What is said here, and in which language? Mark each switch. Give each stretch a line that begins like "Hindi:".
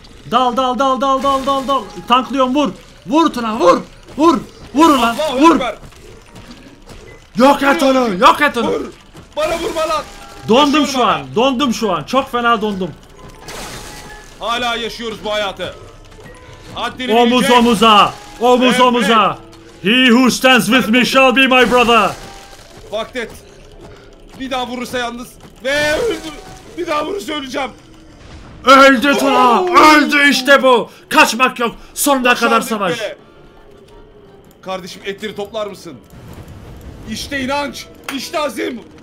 Turkish: Dal, dal, dal, dal, dal, dal, dal. Tanklıyorum, vur. Vur Tuna, vur. Vur. Vur lan, Allah vur. Allahu yok et onu, yok et onu. Vur. Bana vurma lan. Dondum yaşıyorum şu an, bana. Dondum şu an. Çok fena dondum. Hala yaşıyoruz bu hayatı. Haddini omuz yiyecek. Omuza. Omuz evet, omuza. Evet.
English: He who stands with me shall be my brother. Fucked it.
Turkish: Bir daha vurursa yalnız. Ve öldü. Bir daha vurursa öleceğim. Öldü Tuna. Öldü işte bu. Kaçmak yok. Sonuna kadar savaş. Be. Kardeşim etleri toplar mısın? İşte inanç. İşte azim.